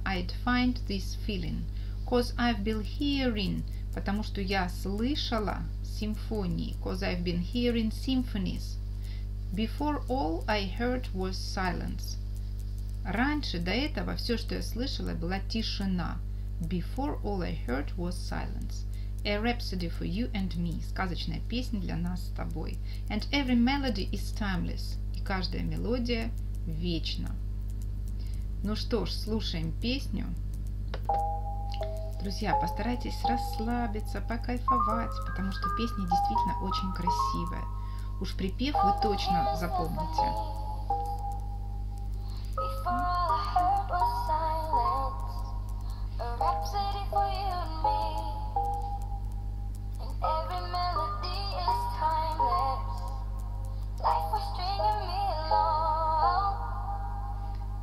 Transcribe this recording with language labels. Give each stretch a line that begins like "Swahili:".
English: I'd find this feeling, 'cause I've been hearing,
Russian: потому что я слышала симфонии,
English: 'cause I've been hearing symphonies. Before all I heard was silence.
Russian: Раньше, до этого, все, что я слышала, была тишина.
English: Before all I heard was silence. A rhapsody for you and me.
Russian: Сказочная песня для нас с тобой.
English: And every melody is timeless.
Russian: И каждая мелодия вечна. Ну что ж, слушаем песню. Друзья, постарайтесь расслабиться, покайфовать, потому что песня действительно очень красивая. Уж припев вы точно запомните.
English: Life was stringing me along.